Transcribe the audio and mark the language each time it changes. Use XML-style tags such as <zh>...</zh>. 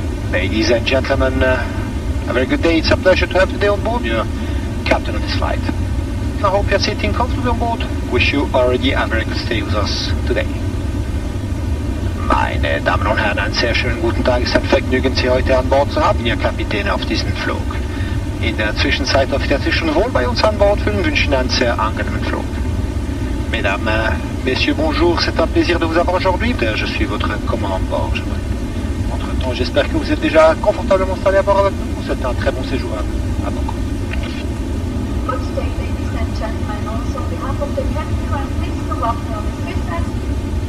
<en>Ladies and gentlemen, a very good day. It's a pleasure to have today on board, yeah, captain of this flight. I hope you're sitting comfortably on board. Wish you already a very good stay with us today.</en> <de>Meine Damen und Herren, einen sehr schönen guten Tag. Es ist ein Vergnügen, Sie heute an Bord zu haben, Ihr Kapitän, auf diesem Flug. In der Zwischenzeit darf ich Sie schon wohl bei uns an Bord fühlen und wünsche Ihnen einen sehr angenehmen Flug.</de> <fr>Mesdames, Messieurs, bonjour, c'est un plaisir de vous avoir aujourd'hui. Je suis votre commandant bord. Entre-temps, j'espère que vous êtes déjà confortablement installé à bord avec nous. Vous souhaitez un très bon séjour à Bangkok.</fr> <en>Good day, ladies and gentlemen. Also, on behalf of the captain, I'm pleased to welcome Swiss Air.</en>